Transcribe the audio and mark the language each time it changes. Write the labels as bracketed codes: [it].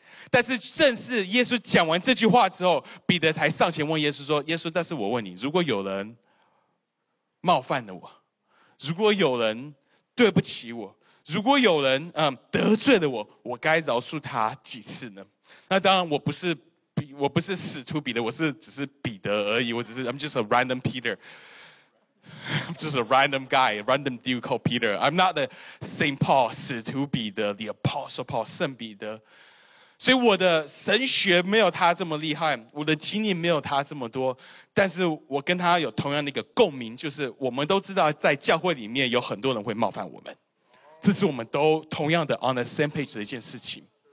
[zh] 但是正是耶稣讲完这句话之后，彼得才上前问耶稣说，耶稣，但是我问你，如果有人冒犯了我，如果有人对不起我，如果有人得罪了我，我该饶恕他几次呢？那当然，我不是使徒彼得，只是彼得而已。 [en] I'm just a random Peter. I'm just a random guy, a random dude called Peter. I'm not the Saint Paul, 使徒彼得 the Apostle Paul, 圣彼得。 [zh] 所以我的神学没有他这么厉害，我的经历没有他这么多，但是我跟他有同样的一个共鸣，就是我们都知道在教会里面有很多人会冒犯我们，这是我们都同样的 [en] on the same page [zh] 的一件事情。